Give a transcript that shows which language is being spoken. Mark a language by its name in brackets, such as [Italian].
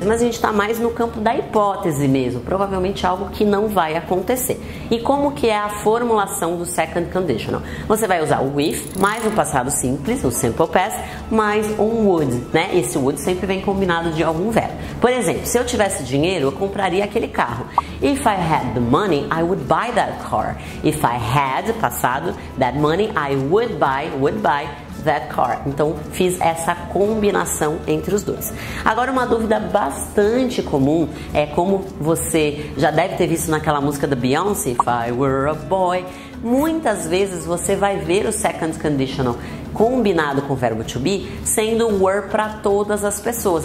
[Portuguese] Mas a gente está mais no campo da hipótese mesmo, provavelmente algo que não vai acontecer. E como que é a formulação do second conditional? Você vai usar o if, mais o passado simples, o simple past, mais um would, né? Esse would sempre vem combinado de algum verbo. Por exemplo, se eu tivesse dinheiro, eu compraria aquele carro. [English] If I had the money, I would buy that car. If I had, passado, that money, I would buy that car. [Portuguese] Então, fiz essa combinação entre os dois. Agora, uma dúvida bastante comum é como você já deve ter visto naquela música da Beyoncé, If I Were a Boy. Muitas vezes, você vai ver o second conditional combinado com o verbo to be, sendo were para todas as pessoas.